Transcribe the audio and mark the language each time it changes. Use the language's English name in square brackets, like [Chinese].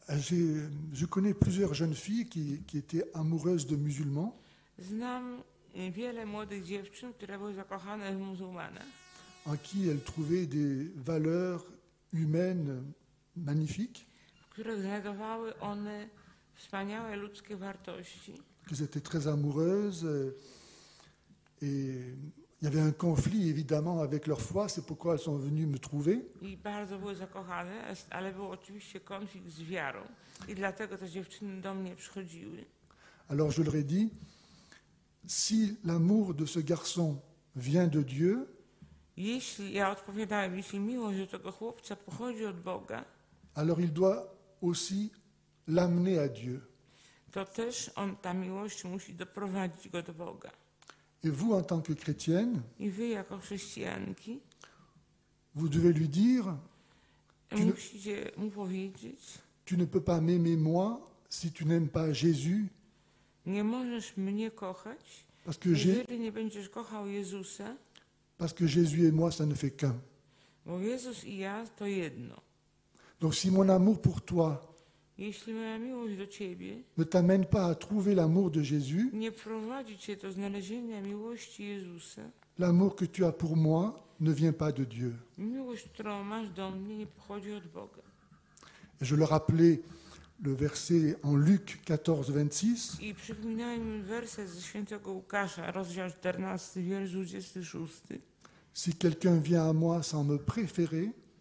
[French] Je connais plusieurs jeunes filles qui étaient amoureuses de musulmans. [Polish] Znam wiele młodych dziewczyn, które były zakochane w muzułmanach. [French] En qui elles trouvaient des valeurs humaines magnifiques. [Polish] W których znajdowały one wspaniałe ludzkie wartości. [French] Qu'elles étaient très amoureuses et il y avait un conflit évidemment avec leur foi, c'est pourquoi elles sont venues me trouver. [Polish] I bardzo były zakochane, ale był oczywiście konflikt z wiarą i dlatego te dziewczyny do mnie przychodziły. [French] Alors je leur ai dit, si l'amour de ce garçon vient de Dieu, [Polish] jeśli, ja odpowiadałem, jeśli miłość do tego chłopca pochodzi od Boga, [French] alors il doit aussi l'amener à Dieu. [Polish] To też on, ta miłość musi doprowadzić go do Boga. [French] Et vous, en tant que chrétienne, [Polish] i wy jako chrześcijanki, [French] vous devez lui dire, [Polish] musicie mu powiedzieć, [French] tu ne peux pas m'aimer moi si tu n'aimes pas Jésus. [Polish] Nie możesz mnie kochać, [French] parce que [Polish] jeżeli nie będziesz kochał Jezusa, [French] parce que Jésus et moi, ça ne fait qu'un. [Polish] Bo Jezus i ja to jedno. [French] Donc si mon amour pour toi, [Polish] jeśli moja miłość do ciebie [French] ne t'amène pas à trouver l'amour de Jésus, [Polish] nie prowadzi cię do znalezienia miłości Jezusa, [French] l'amour que tu as pour moi ne vient pas de Dieu. [Polish] Miłość, którą masz do mnie, nie pochodzi od Boga. [French] Et je le rappelais le verset en Luc 14:26. [Polish] I przypominałem werset ze świętego Łukasza, rozdział 14, wiersz 26. [French] Si quelqu'un vient à moi sans me préférer,